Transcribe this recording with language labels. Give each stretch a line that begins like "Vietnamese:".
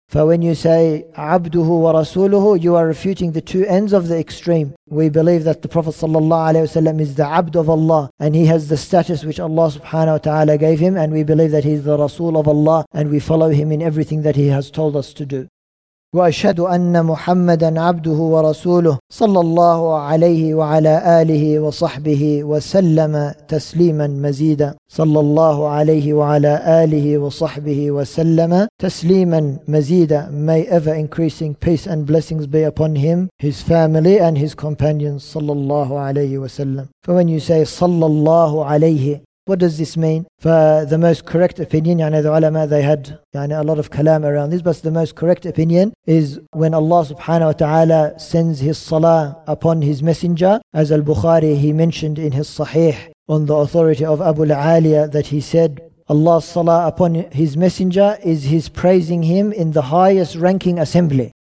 English: For when you say
Arabic: عَبْدُهُ وَرَسُولُهُ
English: You are refuting the two ends of the extreme. We believe that the Prophet ﷺ is the abd of Allah and he has the status which Allah subhanahu wa ta'ala gave him and we believe that he is the Rasul of Allah and we follow him in everything that he has told us to do.
Arabic: وَأَشْهَدُ أَنَّ مُحَمَّدًا عَبْدُهُ وَرَسُولُهُ صَلَّى اللَّهُ عَلَيْهِ وَعَلَىٰ آلِهِ وَصَحْبِهِ وَسَلَّمَ تَسْلِيمًا مَزِيدًا صَلَّى اللَّهُ عَلَيْهِ وَعَلَىٰ آلِهِ وَصَحْبِهِ وَسَلَّمَ تَسْلِيمًا مَزِيدًا
English: May ever increasing peace and blessings be upon him, his family and his companions
Arabic: صَلَّى اللَّهُ عَلَيْهِ وَسَلَّمَ
English: For when you say
Arabic: صَلَّى اللَّهُ عَلَيْهِ
English: What does this mean? For the most correct opinion, يعني the ulama, they had يعني a lot of kalam around this, but the most correct opinion is when Allah subhanahu wa ta'ala sends his salah upon his messenger, as al-Bukhari, he mentioned in his sahih on the authority of Abu al-Aliya that he said, Allah's salah upon his messenger is his praising him in the highest ranking assembly.